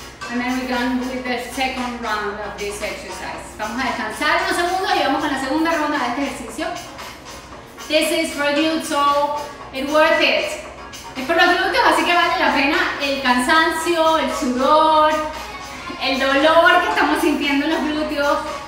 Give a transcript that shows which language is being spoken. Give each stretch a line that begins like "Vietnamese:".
English: And then we're going with the second round of this exercise.
Spanish: Vamos a descansar unos segundos y vamos con la segunda ronda de este ejercicio.
English: This is for glutes, so it's worth it.
Spanish: Es por los glúteos, así que vale la pena el cansancio, el sudor, el dolor que estamos sintiendo en los glúteos.